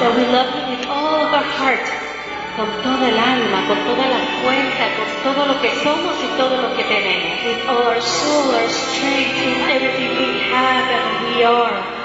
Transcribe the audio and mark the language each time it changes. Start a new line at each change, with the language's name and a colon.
English: That we love Him with all of our heart.
Spanish: Con toda el alma, con toda la fuerza, con todo lo que somos y todo lo que tenemos.
English: With all our soul, our strength, with everything we have and we are.